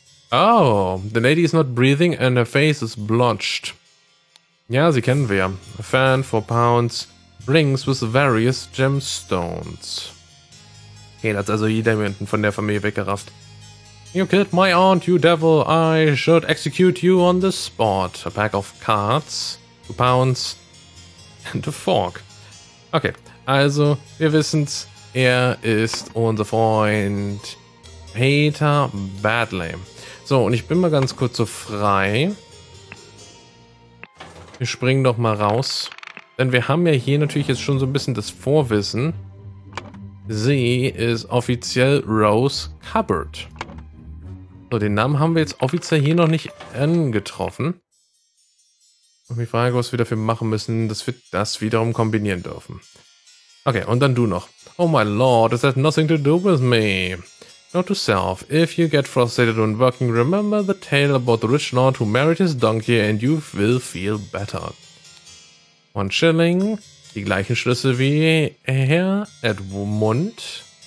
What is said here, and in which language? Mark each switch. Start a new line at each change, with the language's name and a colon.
English: Oh, the lady is not breathing and her face is blotched.
German: Ja, sie kennen wir.
English: A fan for pounds, rings with various gemstones.
German: Okay, da hat also jeder jemanden von der Familie weggerafft.
English: You killed my aunt, you devil. I should execute you on the spot. A pack of cards, 2 pounds and a fork.
German: Okay, also wir wissen's. Er ist unser Freund Peter Badley. So, und ich bin mal ganz kurz so frei. Wir springen doch mal raus. Denn wir haben ja hier natürlich jetzt schon so ein bisschen das Vorwissen. Sie ist offiziell Rose Cupboard. So, den Namen haben wir jetzt offiziell hier noch nicht angetroffen. Und die Frage, was wir dafür machen müssen, dass wir das wiederum kombinieren dürfen. Okay, und dann du noch.
English: Oh my lord, this has nothing to do with me. Note to self, if you get frustrated when working, remember the tale about the rich lord who married his donkey and you will feel better.
German: 1 shilling, die gleichen Schlüssel wie Herr Edmund.